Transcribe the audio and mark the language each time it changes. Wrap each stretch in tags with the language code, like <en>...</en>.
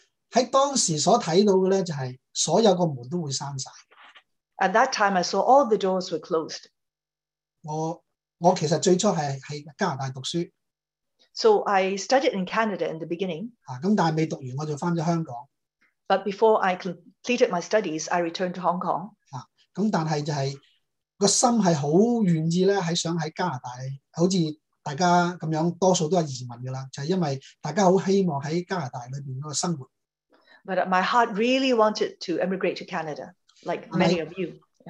<zh>在当时所看到的就是所有的门都会关上。</zh> <en>At that time, I saw all the doors were closed.</en> <zh>我其实最初是在加拿大读书。</zh> <en>So I studied in Canada in the beginning.</en> <zh>但是未读完我就回了香港。</zh> <en>But before I completed my studies, I returned to Hong Kong.</en> <zh>但是就是 心是很愿意想在加拿大，好像大家这样，多数都是移民的了，就是因为大家很希望在加拿大里面生活。</zh> <en>But my heart really wanted to emigrate to Canada, like many of you.</en>